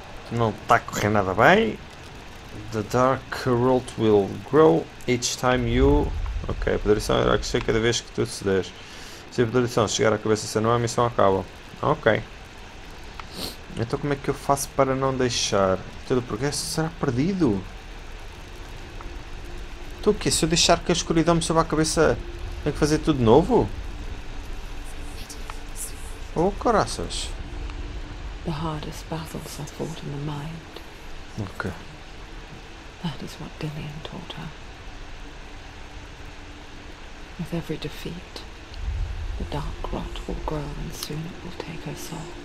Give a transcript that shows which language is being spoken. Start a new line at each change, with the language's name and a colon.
Portuguese: Não está a correr nada bem.
English: The dark world will grow each time you...
Portuguese: Ok, a poderição irá crescer cada vez que tu ceder. Se a poderição chegar à cabeça se não, a missão acaba. Ok. Então como é que eu faço para não deixar? Todo o progresso será perdido? Então o quê? Se eu deixar que a escuridão me suba a cabeça, tenho que fazer tudo de novo? Oh, caraças!
English: The hardest battles are fought in the mind. Ok. That is what Dillian taught her. With every defeat, the dark rot will grow and soon it will take her soul.